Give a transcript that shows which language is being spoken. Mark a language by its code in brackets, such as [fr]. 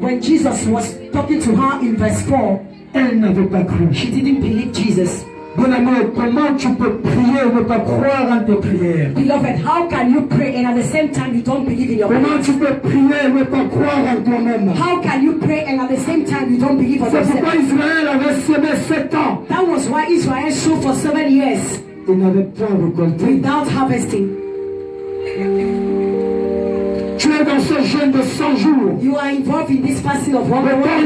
[en] when Jesus was talking to her in verse 4, [fr] elle n'avait pas cru. [en] She didn't believe Jesus. [fr] Bon ami, comment tu peux prier et ne pas croire en tes prières? [en] Beloved, how can you pray and at the same time you don't believe in your prayer? [fr] Comment tu peux prier et ne pas croire en toi-même? [en] How can you pray and at the same time you don't believe in yourself? [fr] C'est pourquoi Israël avait semé 7 ans. [en] That was why Israel sowed for 7 years. [fr] Et n'avait pas récolté. [en] Without harvesting. [fr] Tu es dans ce jeûne de 100 jours. [en] You are involved in this fasting of 100 days.